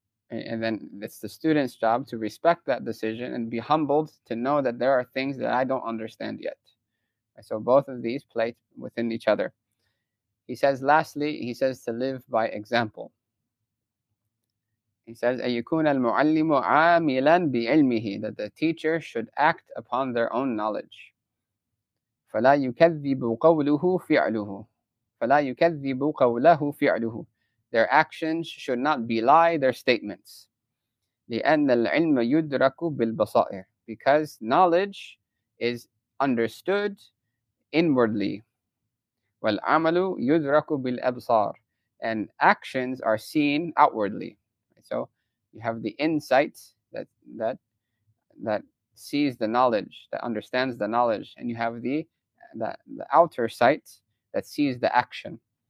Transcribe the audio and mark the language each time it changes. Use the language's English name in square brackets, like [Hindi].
[English] And then it's the student's job to respect that decision and be humbled to know that there are things that I don't understand yet. So both of these play within each other. He says, lastly, he says to live by example. He says, [Arabic] أَيُكُونَ الْمُعَلِّمُ عَامِلًا بِعِلْمِهِ, [English] that the teacher should act upon their own knowledge. [Arabic] فَلَا يُكَذِّبُ قَوْلُهُ فِعْلُهُ فَلَا يُكَذِّبُ قَوْلَهُ فِعْلُهُ, [English] their actions should not belie their statements. [Arabic] لِأَنَّ الْعِلْمَ يُدْرَكُ بِالْبَصَائِرِ, [English] because knowledge is understood inwardly. [Arabic] وَالْعَمَلُ يُدْرَكُ بِالْأَبْصَارِ, [English] and actions are seen outwardly. So you have the insight that sees the knowledge, that understands the knowledge, and you have the outer sight that sees the action.